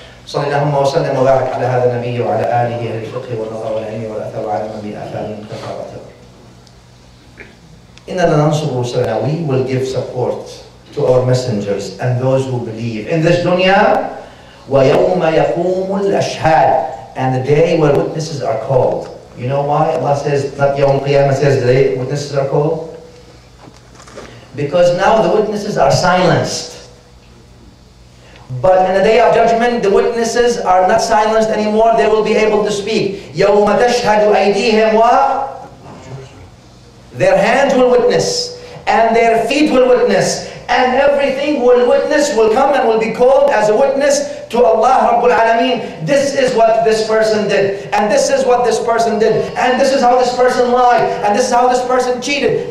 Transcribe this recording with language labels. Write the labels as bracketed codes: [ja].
[ar] صلى الله وسلم وبارك على هذا النبي وعلى آله أهل الفقه والنظر والعلم والأثر وعلم بآثار تفرقت. إننا ننصر رسلنا. [en] We will give support to our messengers and those who believe in this dunya. [ar] ويوم يقوم الأشهاد. [en] And the day where witnesses are called. You know why Allah says, not [ar] يوم القيامة, [en] says the day witnesses are called? Because now the witnesses are silenced. But in the day of judgment, the witnesses are not silenced anymore. They will be able to speak. [ar] يَوْمَ تَشْهَدُ أَيْدِيهِمْ wa. [en] Their hands will witness. And their feet will witness. And everything will witness, will come and will be called as a witness to Allah Rabbul Alameen. This is what this person did. And this is what this person did. And this is how this person lied. And this is how this person cheated.